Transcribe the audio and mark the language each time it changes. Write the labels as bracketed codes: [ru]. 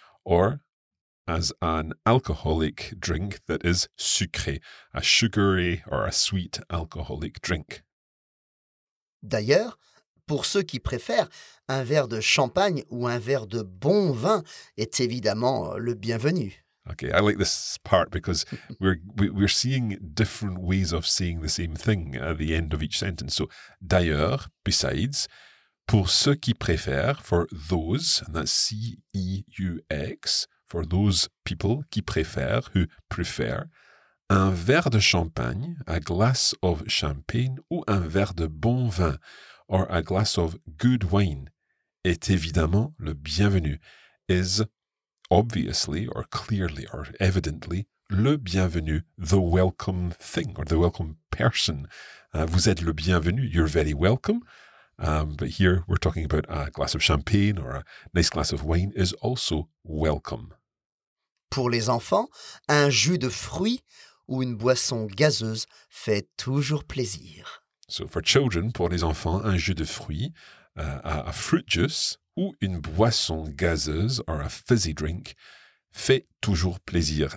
[en] Or as an alcoholic drink that is sucré, a sugary or a sweet alcoholic drink. [fr] D'ailleurs, pour ceux qui préfèrent, un verre de champagne ou un verre de bon vin est évidemment le bienvenu. [en] Okay, I like this part because we're seeing different ways of saying the same thing at the end of each sentence. So, d'ailleurs, besides, [fr] pour ceux qui préfèrent, [en] for those, and that's C-E-U-X, for those people [fr] qui préfèrent, [en] who prefer, [fr] un verre de champagne, [en] a glass of champagne, [fr] ou un verre de bon vin, [en] or a glass of good wine, [fr] est évidemment le bienvenu, [en] is obviously or clearly or evidently [fr] le bienvenu, [en] the welcome thing or the welcome person. [fr] Vous êtes le bienvenu, [en] you're very welcome. But here we're talking about a glass of champagne or a nice glass of wine is also welcome. [fr] Pour les enfants, un jus de fruits ou une boisson gazeuse fait toujours plaisir. [en] So for children, [fr] pour les enfants, un jus de fruits, [en] a fruit juice [fr] ou une boisson gazeuse [en] or a fizzy drink [fr] fait toujours plaisir.